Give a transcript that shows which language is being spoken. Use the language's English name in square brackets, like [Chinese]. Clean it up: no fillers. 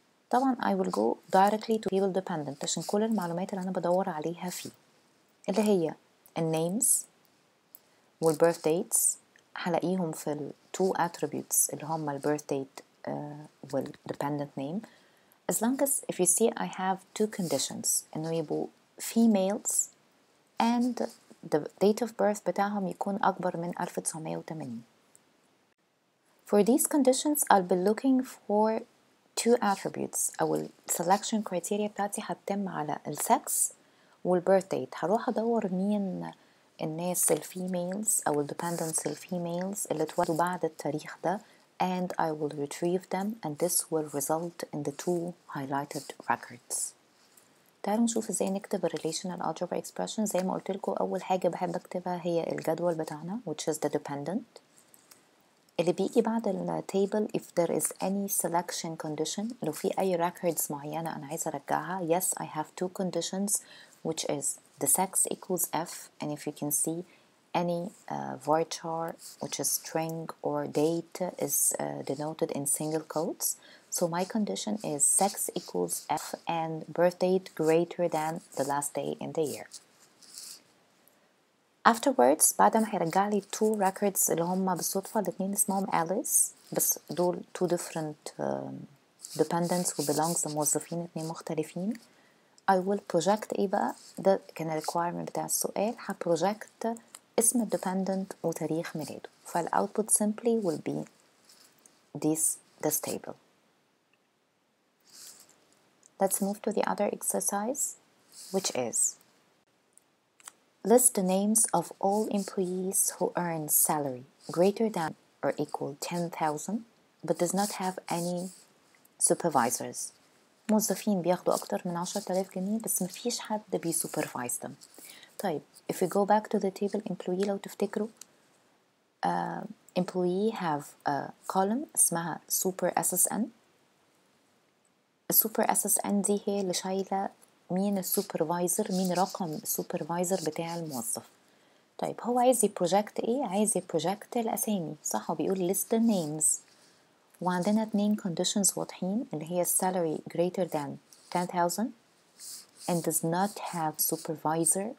[Arabic] طبعا [English] I will go directly to table dependent [Arabic] عشان كل المعلومات اللي أنا بدور عليها فيه اللي هي النيمز والبيرث ديتس هلاقيهم في ال [English] two attributes [Arabic] اللي هم البيرث ديت والديبندنت نيم. [English] As long as if you see I have two conditions [Arabic] إنه يبقوا [English] females and the date of birth [Arabic] بتاعهم يكون أكبر من [English] 1980. For these conditions I'll be looking for two attributes. [Arabic] أول selection criteria بتاعتي هتتم على السكس والبيرث ديت. هروح أدور مين الناس الفيميلز أو الديبندنتس الفيميلز اللي اتولدوا بعد التاريخ ده, [English] and I will retrieve them, and this will result in the two highlighted records. [Arabic] تعالوا نشوف ازاي نكتب relational algebra expression. زي ما قلت لكم أول حاجة بحب أكتبها هي الجدول بتاعنا [English] which is the dependent. [Arabic] اللي بيجي بعد ال table [English] if there is any selection condition, [Arabic] لو في أي records معينة أنا عايز أرجعها. [English] Yes, I have two conditions which is the sex equals F, and if you can see any varchar which is string or date is denoted in single quotes. So my condition is sex equals F and birth date greater than the last day in the year. Afterwards, [Arabic] بعد ما هيرجع لي two records اللي هم بالصدفة الاثنين اسمهم Alice, بس دول [English] two different dependents who belongs to [Arabic] موظفين اثنين مختلفين. [English] I will project [Arabic] إيه بقى؟ ده كان requirement بتاع السؤال. هبروجكت اسم الديبندنت وتاريخ ميلاده. فال output [English] simply will be this table. Let's move to the other exercise, which is list the names of all employees who earn salary greater than or equal 10,000 but does not have any supervisors. [Arabic] موظفين بياخدوا أكتر من 10,000 جنيه بس مفيش حد بيسوبرفايز [English] them. [Arabic] طيب [English] if we go back to the table employee, [Arabic] لو تفتكروا [English] employee have a column [Arabic] اسمها super SSN. السوبر اس اس ان دي هي اللي شايله مين السوبرفايزر, مين رقم السوبرفايزر بتاع الموظف. طيب هو عايز يبروجكت ايه؟ عايز يبروجكت الاسامي, صح؟ وبيقول [English] list the names, [Arabic] وعندنا اتنين conditions واضحين اللي هي [English] salary greater than 10,000 and does not have supervisor.